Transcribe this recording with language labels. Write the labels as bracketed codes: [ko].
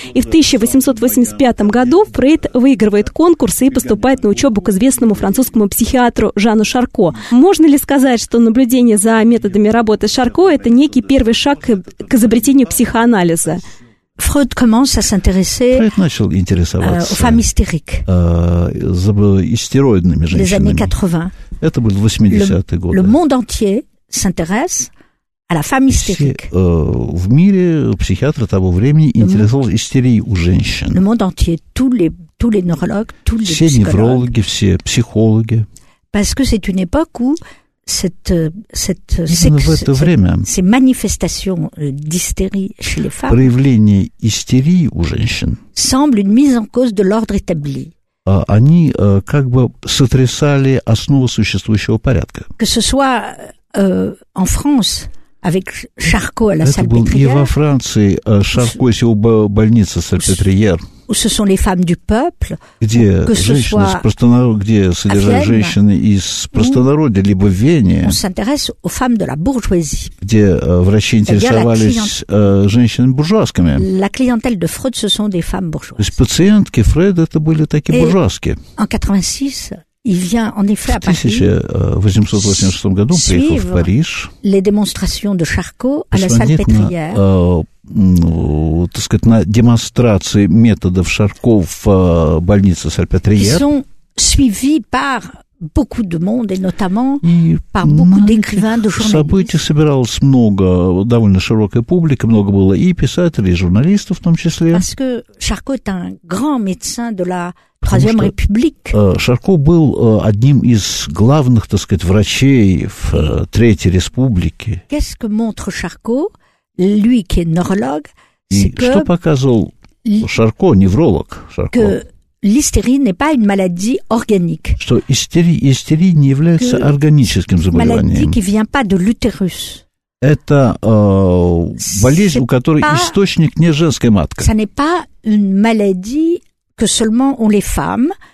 [ru] И в 1885 году Фрейд выигрывает конкурс и поступает на учебу к известному французскому психиатру Жану Шарко. Можно ли сказать, что наблюдение за методами работы Шарко – это некий первый шаг к изобретению психоанализа? Фрейд начал интересоваться истероидными женщинами. Это были 80-е годы. [fr] Le monde entier s'intéresse à la femme hystérique. [ru] В мире психиатры того времени интересовались истерией у женщин. [fr] Le monde entier, tous les neurologues, tous les psychologues. [ru] Все неврологи, все психологи. [fr] Parce que c'est une époque où ces manifestations d'hystérie chez les femmes, [ru] проявление истерии у женщин, [fr] semblent une mise en cause de l'ordre établi. [ru] Они как бы сотрясали основу существующего порядка. [fr] Que ce soit en France avec Charcot à la [ru] Salpêtrière, во Франции Шаркос его больница Сальпетриер. [fr] Où ce sont les femmes du peuple, [ru] где [fr] que ce [ru] женщины [fr] soit [ru] с простонародья, где содержались женщины из простонародья, либо в Вене, [fr] on s'intéresse aux femmes de la bourgeoisie, [ru] где врачи интересовались женщинами буржуазками. [fr] La clientèle de Freud, ce sont des femmes bourgeoises. [ru] То есть пациентки Фрейда, это были такие буржуазки. [fr] En 86, il vient en effet à Paris. [ru] В 1886 году он приехал в Париж. [fr] Les démonstrations de Charcot à la Salpêtrière. [ru] Ну, так сказать, на демонстрации методов Шарко в больнице Сальпетриер. [fr] Suivi par beaucoup de monde et notamment par beaucoup d'écrivains, de journalistes. [ru] Событий собиралось много, довольно широкая публика, много было и писателей, и журналистов в том числе. [fr] Parce que Charcot est un grand médecin de la Troisième République. [ru] Шарко был одним из главных, так сказать, врачей в Третьей Республике. [fr] Qu'est-ce que montre Charcot? Lui qui est neurologue, c'est [ru] что показывал Шарко, невролог Шарко? [fr] Que l'hystérie n'est pas une maladie organique. [ru] Что истерия не является органическим заболеванием. [fr] Maladie qui vient pas de l'utérus. [ru] Это болезнь, [fr] c'est [ru] у которой [fr] pas, [ru] источник не женская матка. [fr] Ça n'est pas une maladie que seulement ont les femmes.